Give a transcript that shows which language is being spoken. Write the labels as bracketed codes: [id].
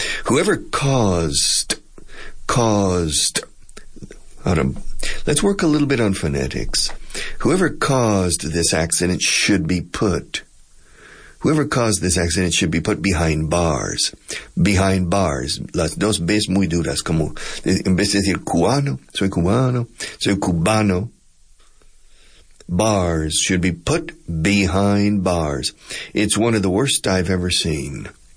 [en] Whoever caused, let's work a little bit on phonetics. Whoever caused this accident should be put. Whoever caused this accident should be put behind bars. Behind bars. [es] Las dos veces muy duras. Como, en vez de decir cubano, soy cubano. [en] Bars should be put behind bars. It's one of the worst I've ever seen.